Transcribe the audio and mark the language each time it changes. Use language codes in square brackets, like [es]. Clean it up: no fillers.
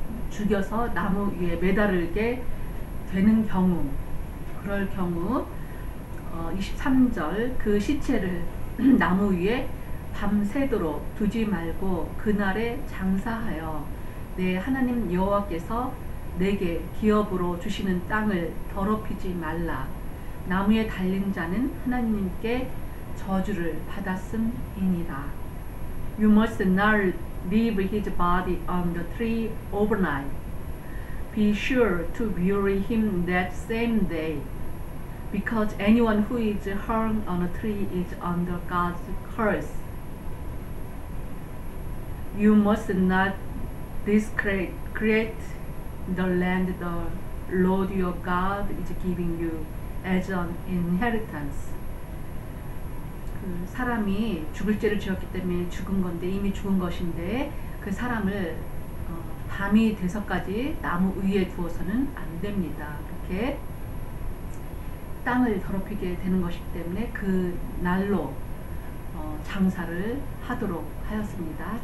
[ko] 죽여서 나무 위에 매달게 되는 경우 그럴 경우 23절 그 시체를 나무 위에 밤새도록 두지 말고 그날에 장사하여 내 하나님 여호와께서 내게 기업으로 주시는 땅을 더럽히지 말라. 나무에 달린 자는 하나님께 저주를 받았음이니라. [en] You must not leave his body on the tree overnight. Be sure to bury him that same day. Because anyone who is hung on a tree is under God's curse. You must not discredit the land the Lord your God is giving you as an inheritance. [ko] 그 사람이 죽을 죄를 지었기 때문에 죽은 건데 이미 죽은 것인데 그 사람을 밤이 돼서까지 나무 위에 두어서는 안 됩니다. 이렇게 땅을 더럽히게 되는 것이기 때문에 그 날로 장사를 하도록 하였습니다.